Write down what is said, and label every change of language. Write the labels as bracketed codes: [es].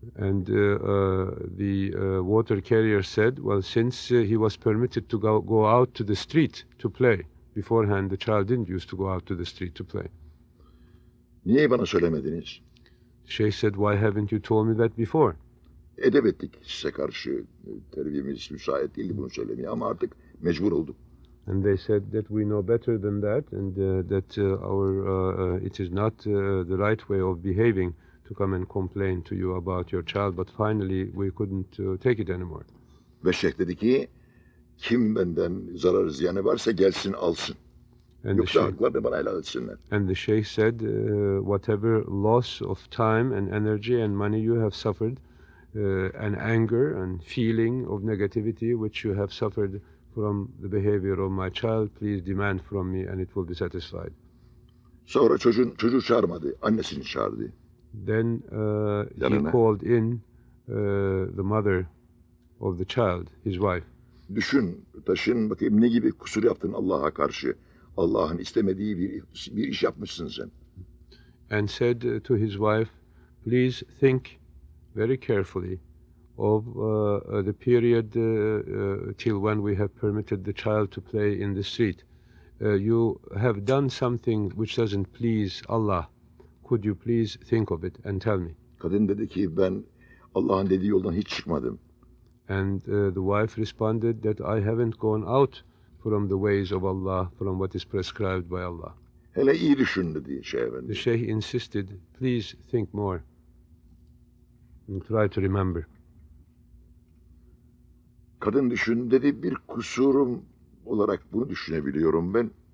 [en] And the water carrier said, well, since he was permitted to go out to the street to play, beforehand the child didn't used to go out to the street to play. [tr] Niye bana söylemediniz? [en] Şeyh said, why haven't you told me that before? [tr] Edep ettik size karşı. Terbiyemiz müsait değildi bunu söylemeye ama artık mecbur olduk. [en] And they said that we know better than that, and that it is not the right way of behaving to come and complain to you about your child. But finally, we couldn't take it anymore. [tr] Ve şeyh dedi ki, kim benden zarar ziyanı varsa gelsin alsın. And yoksa haklar da bana helal etsinler. [en] And the sheikh said, whatever loss of time and energy and money you have suffered, and anger and feeling of negativity which you have suffered from the behavior of my child, please demand from me and it will be satisfied. [tr] Sonra çocuğu çağırmadı, annesini çağırdı. [en] Then he called in the mother of the child, his wife. [tr] Düşün, taşın bakayım ne gibi kusur yaptın Allah'a karşı. Allah'ın istemediği bir iş yapmışsın sen. [en] And said to his wife, please think very carefully of the period till when we have permitted the child to play in the street. You have done something which doesn't please Allah. Could you please think of it and tell me? [tr] Kadın dedi ki ben Allah'ın dediği yoldan hiç çıkmadım. [en] And the wife responded that I haven't gone out from the ways of Allah, from what is prescribed by Allah. [tr] Hele iyi düşün dedi şeyh efendi. [en] The şeyh insisted, please think more and try to remember. [tr] Kadın düşündü dedi bir kusurum olarak bunu düşünebiliyorum ben.